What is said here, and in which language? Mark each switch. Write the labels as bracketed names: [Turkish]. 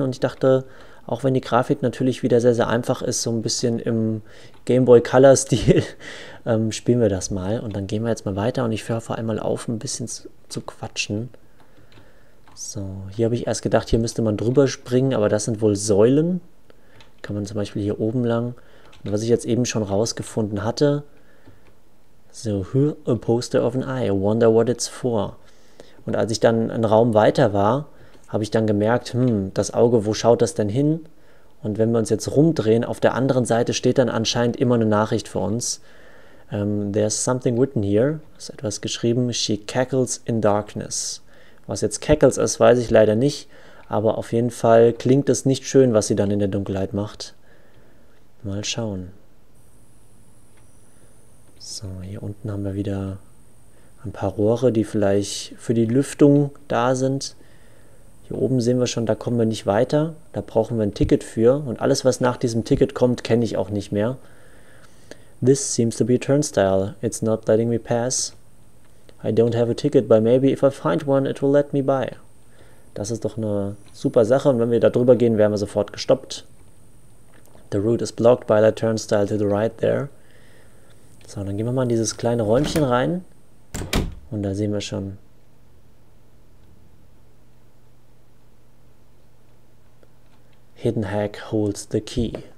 [German] Und ich dachte, auch wenn die Grafik natürlich wieder sehr, sehr einfach ist, so ein bisschen im Game Boy Color-Stil, spielen wir das mal. Und dann gehen wir jetzt mal weiter und ich höre vor allem mal auf, ein bisschen zu quatschen. So, hier habe ich erst gedacht, hier müsste man drüber springen, aber das sind wohl Säulen. Kann man zum Beispiel hier oben lang. Und was ich jetzt eben schon rausgefunden hatte, [English] So, a poster of an eye, I wonder what it's for. [German] Und als ich dann einen Raum weiter war, habe ich dann gemerkt, das Auge, wo schaut das denn hin? Und wenn wir uns jetzt rumdrehen, auf der anderen Seite steht dann anscheinend immer eine Nachricht für uns. [English] There's something written here. [German] Ist etwas geschrieben. [English] She cackles in darkness. [German] Was jetzt cackles ist, weiß ich leider nicht. Aber auf jeden Fall klingt es nicht schön, was sie dann in der Dunkelheit macht. Mal schauen. So, hier unten haben wir wieder ein paar Rohre, die vielleicht für die Lüftung da sind. Hier oben sehen wir schon, da kommen wir nicht weiter. Da brauchen wir ein Ticket für. Und alles, was nach diesem Ticket kommt, kenne ich auch nicht mehr. [English] This seems to be a turnstile. It's not letting me pass. I don't have a ticket, but maybe if I find one, it will let me by. [German] Das ist doch eine super Sache. Und wenn wir da drüber gehen, werden wir sofort gestoppt. [English] The route is blocked by that turnstile to the right there. [German] So, dann gehen wir mal in dieses kleine Räumchen rein. Und da sehen wir schon. [English] Hidden Hack holds the key.